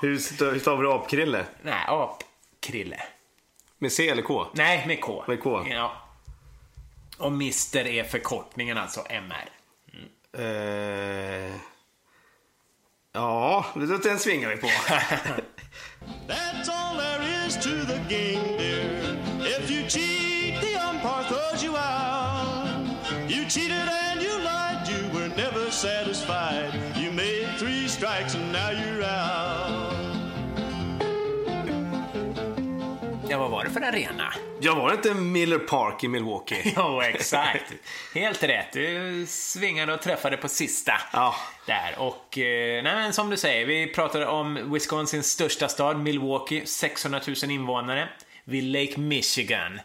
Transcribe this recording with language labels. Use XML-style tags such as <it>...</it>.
<sv>Hur stavar du Apkrille? Nej, Apkrille. Med C eller K? Nej, med K. Med K. Ja. Och Mr. är förkortningen, alltså MR. Ja, det är den svingar vi på.</sv> <en>That's all there is to the game, dear. If you cheat, the umpire throws you out. You cheated and you lied, you were never satisfied. You made 3 strikes and now you're out.</en> <sv>Ja, vad var det för arena? Jag var inte Miller Park i Milwaukee. Jo, exakt. Helt rätt. Du svingade och träffade på sista. Ja. Där. Och nej, men som du säger, vi pratade om Wisconsins största stad, Milwaukee, 600 000 invånare, vid Lake Michigan.</sv>